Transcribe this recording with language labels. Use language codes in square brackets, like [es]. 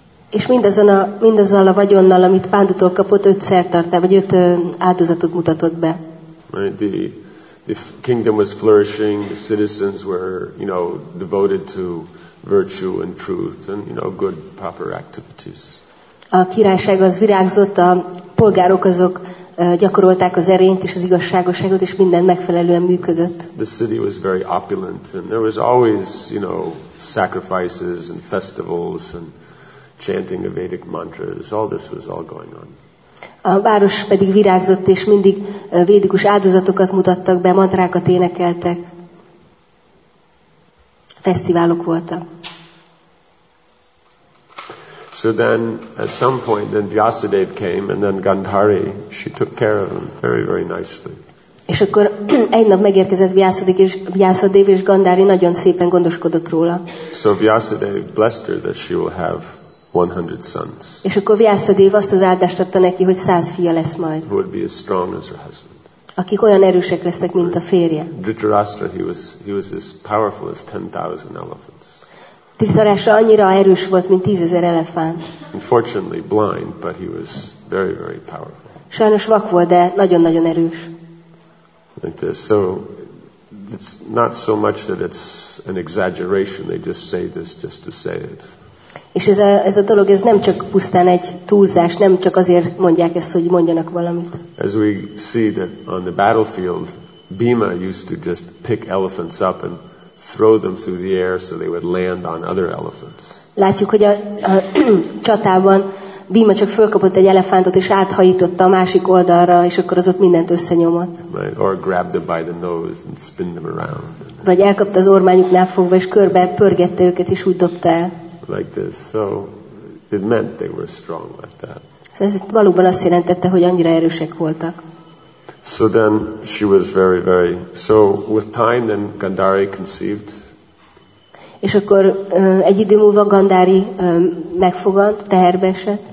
[hu] És mindazzal a vagyonnal, amit Pándutól kapott, 5 szertartá, vagy 5 áldozatot mutatott be. [en] Right, the kingdom was flourishing, the citizens were, you know, devoted to virtue and truth and, you know, good proper activities. [hu] A királyság az virágzott, a polgárok azok gyakorolták az erényt és az igazságosságot, és minden megfelelően működött. [en] The city was very opulent and there was always, you know, sacrifices and festivals and chanting of Vedic mantras. All this was all going on. [hu] A város pedig virágzott, és mindig védikus áldozatokat mutattak be, mantrákat énekeltek. Fesztiválok voltak. [en] So then at some point then Vyasadev came and then Gandhari, she took care of him very, very nicely. [hu] És akkor egy nap megérkezett Vyasadev, és Gandhari nagyon szépen gondoskodott róla. [en] So Vyasadev blessed her that she will have 100 sons. [hu] És akkor Vyasadev azt az áldást adta neki, hogy 100 fia lesz majd. [en] Who would be as strong as her husband. [hu] Akik olyan erősek lesznek, mint a férje. [en] Dhritarashtra, he was as powerful as 10,000 elephants. [hu] Dhritarashtra annyira erős volt, mint 10,000 elefánt. [en] Unfortunately blind, but he was very, very powerful. [hu] Sajnos vak volt, de nagyon-nagyon erős. [en] Like this. So it's not so much that it's an exaggeration, they just say this just to say it. [hu] És ez a dolog, ez nem csak pusztán egy túlzás, nem csak azért mondják ezt, hogy mondjanak valamit. [en] As we see that on the battlefield, Bhima used to just pick elephants up and throw them through the air so they would land on other elephants. [hu] Látjuk, hogy a csatában Bhima csak fölkapott egy elefántot és áthajította a másik oldalra, és akkor az ott mindent összenyomott. [en] Right, or grabbed them by the nose and spin them around. [hu] Vagy elkapta az ormányuknál fogva, és körbe pörgette őket, és úgy dobta el. [en] Like this, so it meant they were strong like that. [hu] Ez valóban azt jelentette, hogy annyira erősek voltak. [en] So then she was very, very. So with time, then Gandhari conceived. [hu] És akkor egy idő múlva Gandhari megfogant, teherbe esett.